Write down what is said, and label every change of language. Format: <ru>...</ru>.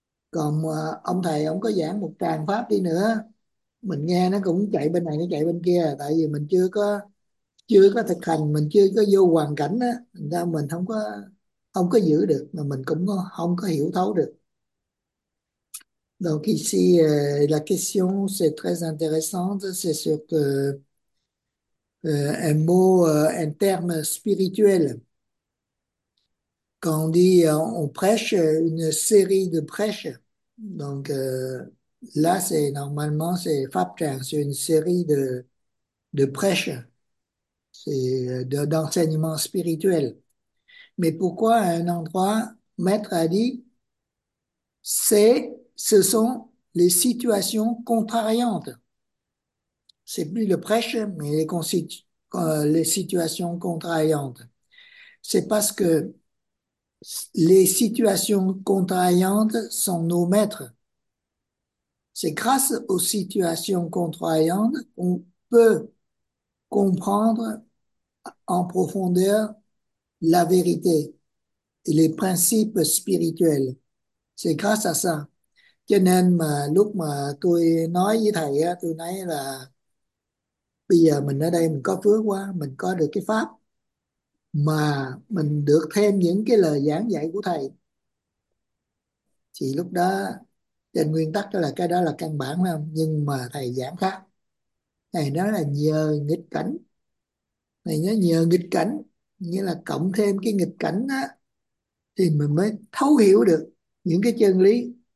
<vi>Còn ông thầy ông có giảng một tràng pháp đi nữa, mình nghe nó cũng chạy bên này nó chạy bên kia, tại vì mình chưa có thực hành, mình chưa có vô hoàn cảnh á, ra mình không có giữ được, mà mình cũng không có hiểu thấu được.</vi> <fr>Donc ici la question c'est très intéressante, c'est sur un mot un terme spirituel. Quand on dit on prêche une série de prêches, donc là, c'est normalement, c'est Pháp Tràng, c'est une série de prêches, c'est d'enseignements spirituels. Mais pourquoi à un endroit, Maître a dit, ce sont les situations contrariantes. C'est plus le prêche, mais les situations contrariantes. C'est parce que les situations contrariantes sont nos maîtres. C'est grâce aux situations contrariantes qu'on peut comprendre en profondeur la vérité et les principes spirituels. C'est grâce à ça.</fr> <vi>Cho nên mà lúc mà tôi nói với thầy á, tôi nói là bây giờ mình ở đây mình có phước quá, mình có được cái pháp mà mình được thêm những cái lời giảng dạy của thầy. Thì lúc đó trên nguyên tắc đó là cái đó là căn bản phải không, nhưng mà thầy giảng khác, thầy nói là nhờ nghịch cảnh, thầy nói nhờ nghịch cảnh, nghĩa là cộng thêm cái nghịch cảnh á thì mình mới thấu hiểu được những cái chân lý.</vi>